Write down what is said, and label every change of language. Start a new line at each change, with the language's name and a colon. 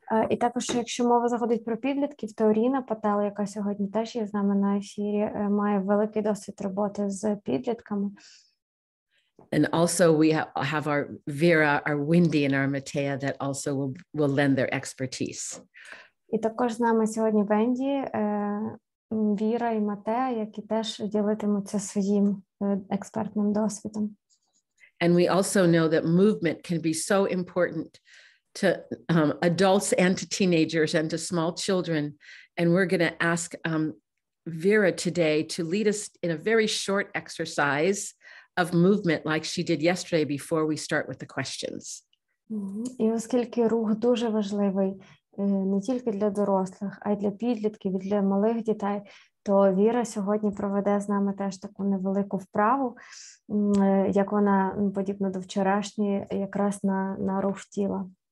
Ukrainian: І також, якщо мова заходить про підлітків, то Ріна Пател, яка сьогодні теж є з нами на ефірі, має великий досвід роботи з підлітками.
English: And also we have our Vera, our Wendy and our Matea that also will lend their expertise.
Ukrainian: І також з нами сьогодні Венді, Віра і Матеа, які теж ділитимуться своїм експертним досвідом.
English: And we also know that movement can be so important to adults and to teenagers and to small children. And we're going to ask Vera today to lead us in a very short exercise of movement like she did yesterday before we start with the questions.
Ukrainian: І оскільки рух дуже важливий не тільки для дорослих, а й для підлітків, і для малих дітей, то Віра сьогодні проведе з нами теж таку невелику вправу, як вона подібна до вчорашньої, якраз на рух тіла.